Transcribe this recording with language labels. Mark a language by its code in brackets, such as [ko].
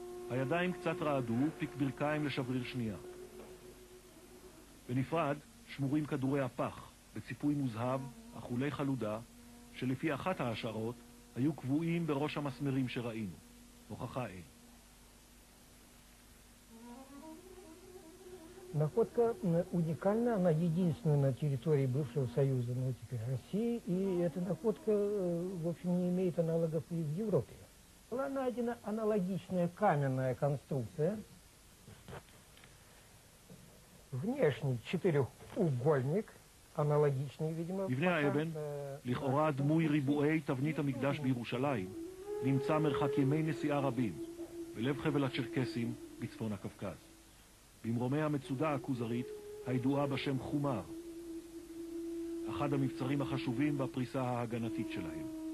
[he] הידיים קצת רעדו, פיק ברכיים לשבריר שנייה. בנפרד שמורים כדורי הפח בציפוי מוזהב, אכולי חלודה, שלפי אחת ההשערות היו קבועים בראש המסמרים שראינו. הוכחה אין. [ru] Находка уникальна, она единственная на территории бывшего союза, ну теперь России, и эта находка, в общем, не имеет аналогов и в Европе. Была найдена аналогичная каменная конструкция. Внешний четырехугольник, аналогичный, видимо, [he] מבנה האבן, לכאורה דמוי ריבועי תבנית המקדש בירושלים, נמצא מרחק ימי נסיעה רבים, בלב חבל הצ'רקסים בצפון הקווקז. במרומי המצודה הכוזרית, הידועה בשם חומר, אחד המבצרים החשובים בפריסה ההגנתית שלהם.